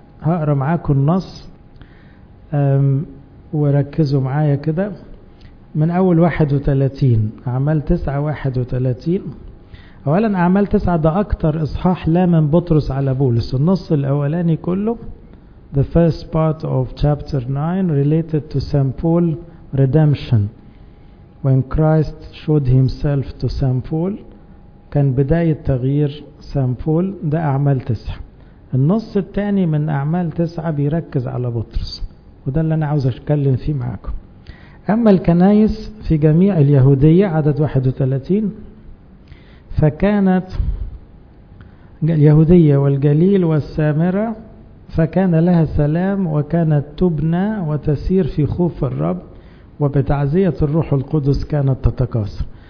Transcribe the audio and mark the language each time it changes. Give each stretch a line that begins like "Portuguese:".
Arabic: هقرا معاكم النص وركزوا معايا كده، من اول 31، اعمال 9:31. اولا اعمال 9 ده اكتر اصحاح لا من بطرس على بولس. النص الاولاني كله
English: the first part of chapter 9 related to St. Paul redemption when Christ showed himself to St.
Arabic: Paul، كان بداية تغيير St. Paul، ده اعمال 9. النص الثاني من اعمال 9 بيركز على بطرس، وده اللي انا عاوز اتكلم فيه معاكم. اما الكنائس في جميع اليهودية عدد 31، فكانت اليهودية والجليل والسامرة فكان لها سلام، وكانت تبنى وتسير في خوف الرب، وبتعزية الروح القدس كانت تتكاثر.